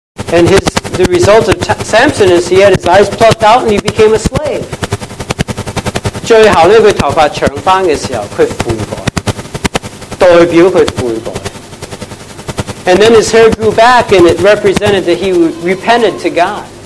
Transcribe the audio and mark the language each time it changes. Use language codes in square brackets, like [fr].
[en] And the result of Samson is he had his eyes plucked out and he became a slave. [zh] 最后他头发长翻的时候,他悔改, 代表他悔改。 [en] And then his hair grew back and it represented that he repented to God.